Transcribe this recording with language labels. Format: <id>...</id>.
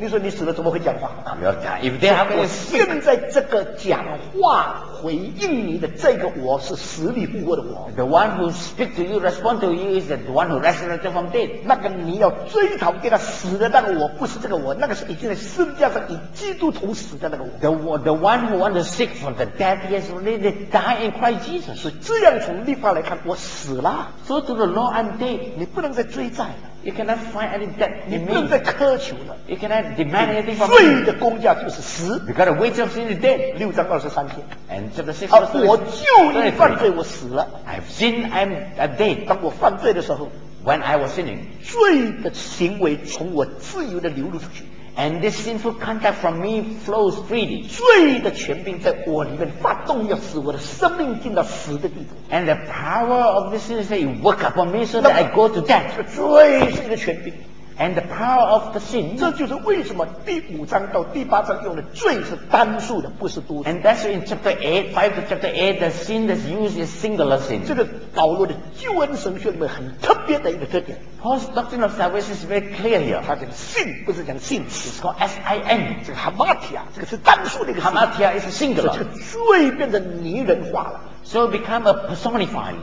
<zh>你说你死了怎么会讲话？啊，没有讲。</zh> <en>If they have been sick,</en> <zh>现在这个讲话回应你的这个我是死里复活的我。</zh> <en>The one who speak to you, respond to you is the one who resurrected from dead.</en> <zh>那个你要追讨给他死的那个我不是这个我，那个是已经在十字架上以基督同死的那个我。</zh> <en>The one who want to seek for the dead is really die in Christ Jesus.</en> <zh>所以这样从律法来看，我死了。</zh> <en>So to the law, I'm dead.</en> <zh>你不能再追债了。</zh> <en>You cannot find any debt in me.</en> <zh>你不能再苛求了。</zh> <en>You cannot demand anything from me.</en> <zh>罪的工价就是死。</zh> <en>You got a wage of sin is dead.</en> <zh>六章二十三节。</zh> <en>And chapter 6 verse</en> <zh>3. 我就因犯罪我死了。</zh> <en>I've sinned, I'm dead.</en> <zh>当我犯罪的时候。</zh> <en>When I was sinning.</en> <zh>罪的行为从我自由地流露出去。</zh> <en>And this sinful conduct from me flows freely.</en> <zh>罪的权柄在我里面发动，要使我的生命进到死的地步。</zh> <en>And the power of this sin is that it work upon me so that I go to death.</en> <zh>罪是一个权柄。</zh> <en>And the power of the sin.</en> <zh>这就是为什么第五章到第八章用的罪是单数的，不是多数。</zh> <en>And that's in chapter 8, 5 to chapter 8, the sin that's used is singular sin.</en> <zh>这个保罗的救恩神学里面很特别的一个特点。</zh> <en>Paul's doctrine of salvation is very clear here.</en> <zh>他讲sin不是讲sin,</zh> <en>it's called S-I-N.</en> <zh>这个 hamartia, 这个是单数的一个 sin.</zh> <en>Hamartia is singular.</en> <zh>这个罪变成拟人化了。</zh> <en>So become a personified.</en>